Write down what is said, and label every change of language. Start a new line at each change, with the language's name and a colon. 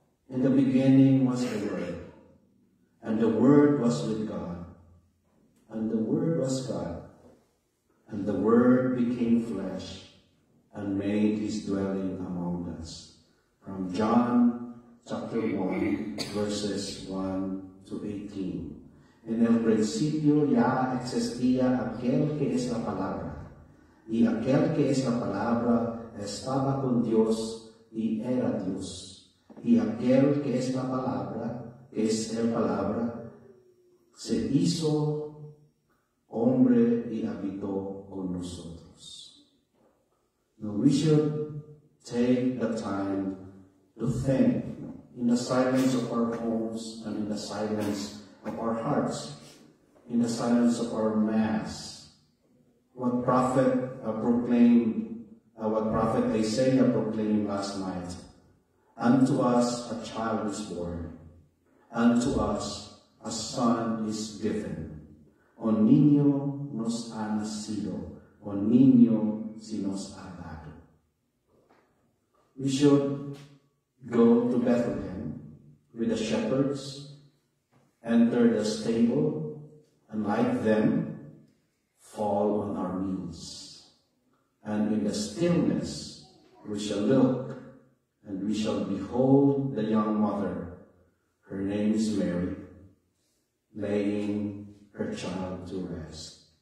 English: In the beginning was the Word, and the Word was with God, and the Word was God, and the Word became flesh, and made His dwelling among us. From John chapter chapter 1, verses 1 to 18.
Spanish: En el principio ya existía aquel que es la palabra, y aquel que es la palabra estaba con Dios y era Dios. Y aquel que es la palabra, que es la palabra, se hizo hombre y habitó con nosotros.
English: Now we should take the time to think in the silence of our homes and in the silence of our hearts, in the silence of our mass, what prophet proclaimed, what prophet Isaiah proclaimed last night. Unto us a child is born, unto us a son is given.
Spanish: Un niño nos ha nacido, un niño se nos ha dado.
English: We should go to Bethlehem with the shepherds, enter the stable, and like them, fall on our knees. And in the stillness, we shall look and we shall behold the young mother, her name is Mary, laying her child to rest.